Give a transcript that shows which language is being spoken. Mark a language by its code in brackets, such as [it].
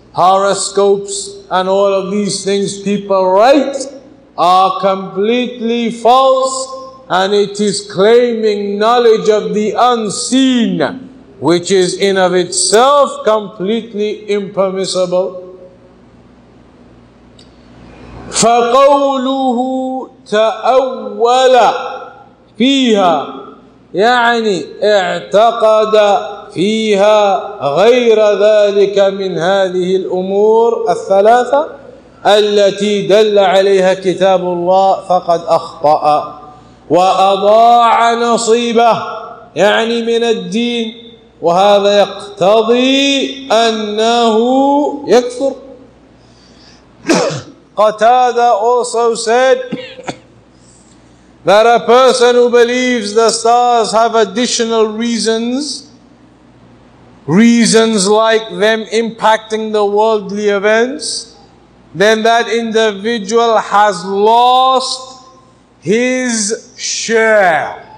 [en] Horoscopes and all of these things people write are completely false, and it is claiming knowledge of the unseen, which is in of itself completely impermissible. [ar] فقوله تأول فيها يعني اعتقد فيها غير ذلك من هذه الأمور الثلاثة التي دل عليها كتاب الله فقد أخطأ وأضاع نصيبه يعني من الدين، وهذا يقتضي أنه يكفر. [en] Qatada also said that a person who believes the stars have additional reasons, reasons like them impacting the worldly events, then that individual has lost his share.